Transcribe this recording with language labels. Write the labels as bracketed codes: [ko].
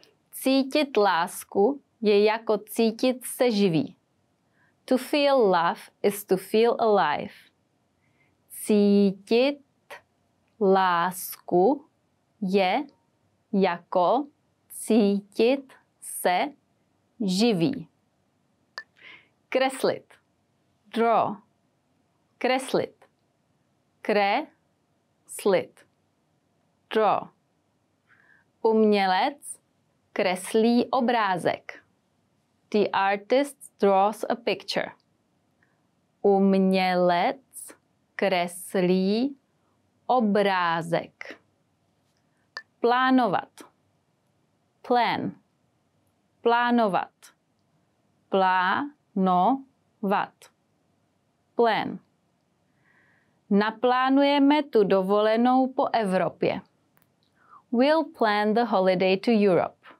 [cs] Cítit lásku je jako cítit se živý. [en] To feel love is to feel alive. [cs] Cítit lásku je jako cítit se živý. Kreslit. [en] Draw. [cs] Kreslit. Kreslit. [en] Draw. [cs] Umělec kreslí obrázek. [en] The artist draws a picture. [cs] Umělec kreslí obrázek. Plánovat. [en] Plan. [cs] Plánovat. Plánovat. [en] Plan. [cs] Naplánujeme tu dovolenou po Evropě. [en] We'll plan the holiday to Europe.